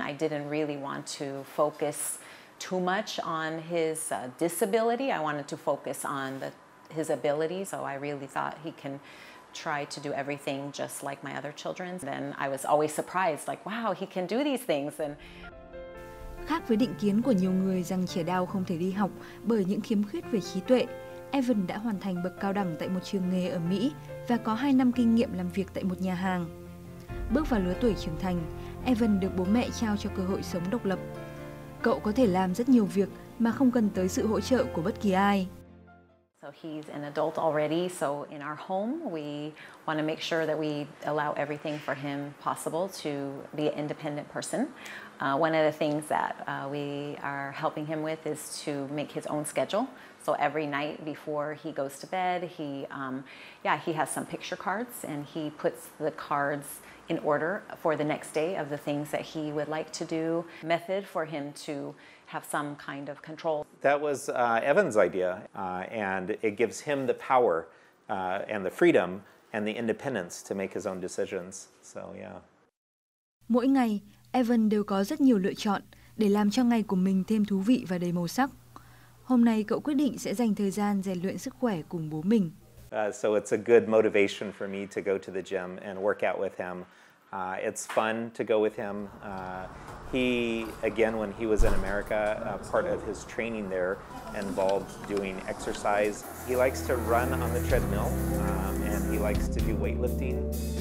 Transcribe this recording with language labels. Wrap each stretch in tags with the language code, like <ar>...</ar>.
<en>I didn't really want to focus too much on his disability. I wanted to focus on his ability. So I really thought he can try to do everything just like my other children. Then I was always surprised, like, wow, he can do these things. And</en> <vi>khác với định kiến của nhiều người rằng trẻ Down không thể đi học bởi những khiếm khuyết về trí tuệ, Evan đã hoàn thành bậc cao đẳng tại một trường nghề ở Mỹ và có 2 năm kinh nghiệm làm việc tại một nhà hàng. Bước vào lứa tuổi trưởng thành, Evan được bố mẹ trao cho cơ hội sống độc lập. Cậu có thể làm rất nhiều việc mà không cần tới sự hỗ trợ của bất kỳ ai.</vi> <en>So he's an adult already, so in our home we want to make sure that we allow everything for him possible to be an independent person. One of the things that we are helping him with is to make his own schedule. So every night before he goes to bed, he has some picture cards and he puts the cards in order for the next day of the things that he would like to do, method for him to have some kind of control. That was Evan's idea, and it gives him the power and the freedom and the independence to make his own decisions. So yeah.</en> <vi>Mỗi ngày, Evan đều có rất nhiều lựa chọn để làm cho ngày của mình thêm thú vị và đầy màu sắc. Hôm nay cậu quyết định sẽ dành thời gian rèn luyện sức khỏe cùng bố mình.</vi> <en>So it's a good motivation for me to go to the gym and work out with him. It's fun to go with him. When he was in America, part of his training there involved doing exercise. He likes to run on the treadmill, and he likes to do weightlifting.</en>